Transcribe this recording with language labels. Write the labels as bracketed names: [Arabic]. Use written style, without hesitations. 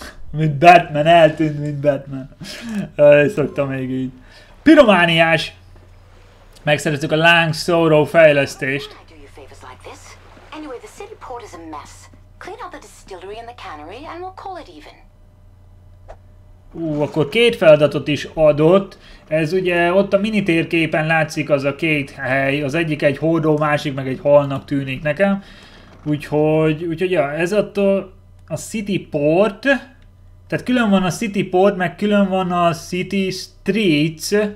[Hungarian] Mint Batman, eltűnt, mint Batman. Szoktam még így. Piromániás! Megszerettük a Langsoro fejlesztést. [English] Why do you favors like this? Anyway, the city port is a mess. Clean out the distillery and the cannery and we'll call it even. [Hungarian] Akkor két feladatot is adott. Ez ugye ott a minitérképen látszik az a két hely, az egyik egy hordó, másik meg egy halnak tűnik nekem. Úgyhogy ja, ez attól a City Port, tehát külön van a City Port, meg külön van a City Streets.